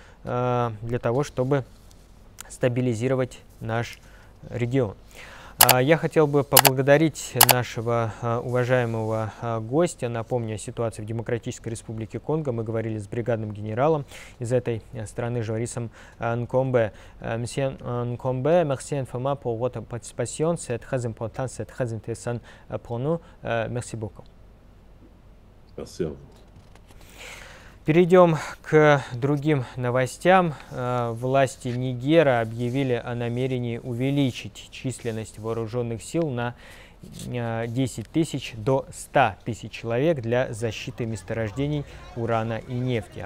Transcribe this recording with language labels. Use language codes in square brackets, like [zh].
[ru] для того, чтобы стабилизировать наш регион. Я хотел бы поблагодарить нашего уважаемого гостя. Напомню о ситуации в Демократической Республике Конго. Мы говорили с бригадным генералом из этой страны, Жорисом Нкомбе. [fr] Мсье Нкомбе, merci infiniment pour votre participation. C'est très important, c'est très intéressant pour nous. Merci beaucoup. Merci. [ru] Перейдем к другим новостям. Власти Нигера объявили о намерении увеличить численность вооруженных сил на 10 тысяч до 100 тысяч человек для защиты месторождений урана и нефти.